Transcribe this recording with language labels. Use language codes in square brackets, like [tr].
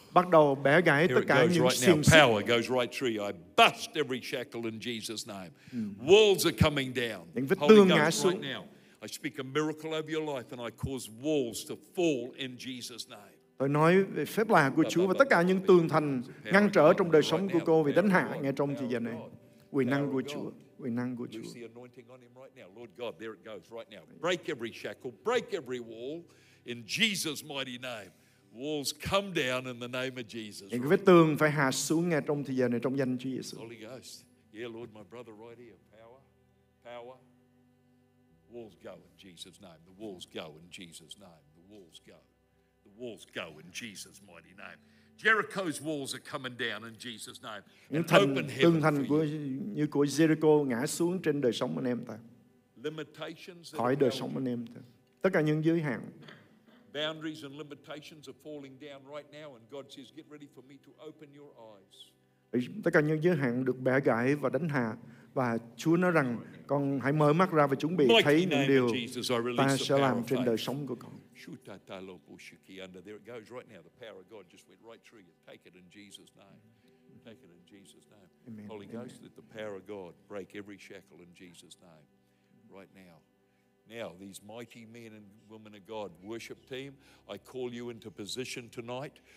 [vi] Bắt đầu bẻ gãy tất cả những xiềng xích. [en] Power goes right through you. I bust every shackle in Jesus' name. Walls are coming down. [vi] Những vách tường ngã xuống. [en] Right now, I speak a miracle over your life and I cause walls to fall in Jesus' name. [vi] Tôi nói về phép lạ của Chúa và tất cả những tường thành ngăn trở trong đời sống của cô bị đánh hạ ngay trong thời gian này. Quyền năng của Chúa. Quyền năng của Chúa. [en] Loose the anointing on him right now. Lord God, there it goes right now. Break every shackle. Break every wall in Jesus' mighty name. Walls come down in the name of Jesus. [vi] Những vách tường phải hạ xuống ngay trong thời gian này trong danh Chúa Giêsu. [en] Holy Ghost. Yeah, Lord, my brother right here. Power. Power. Walls go in Jesus' name. The walls go in Jesus' name. The walls go. The walls go in Jesus' mighty name. Jericho's walls are coming down in Jesus' name. [vi] Những tường thành như của Jericho ngã xuống trên đời sống anh em ta. [en] Limitations [vi] khỏi đời sống anh em ta. Tất cả những giới hạn. [en] Boundaries and limitations are falling down right now, and God says, "Get ready for me to open your eyes." [vi] Tất cả những giới hạn được bẻ gãy và đánh hạ, và Chúa nói rằng, "Con hãy mở mắt ra và chuẩn bị thấy những điều ta sẽ làm trên đời sống của con." [en] There it goes right now. The power of God just went right through you. Take it in Jesus' name. Take it in Jesus' name. Amen. Holy Ghost, let the power of God break every shackle in Jesus' name, right now. Now, these mighty men and women of God, worship team, I call you into position tonight.